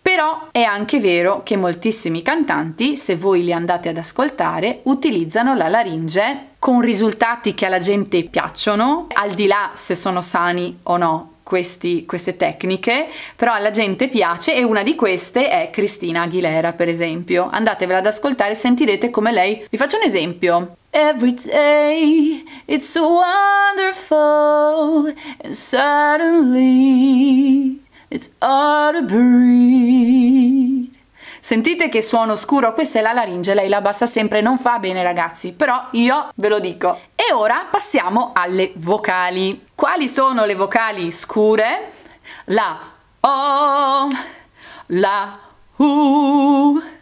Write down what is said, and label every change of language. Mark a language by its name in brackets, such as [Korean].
[Italian] Però è anche vero che moltissimi cantanti, se voi li andate ad ascoltare, utilizzano la laringe con risultati che alla gente piacciono, al di là se sono sani o no queste tecniche, però alla gente piace, e una di queste è Christina Aguilera, per esempio. Andatevela ad ascoltare e sentirete come lei... Vi faccio un esempio. [English] Every day it's so wonderful, and suddenly it's hard to breathe. [Italian] Sentite che suono scuro, questa è la laringe, lei la abbassa sempre, non fa bene ragazzi, però io ve lo dico. E ora passiamo alle vocali. Quali sono le vocali scure? La O, la U.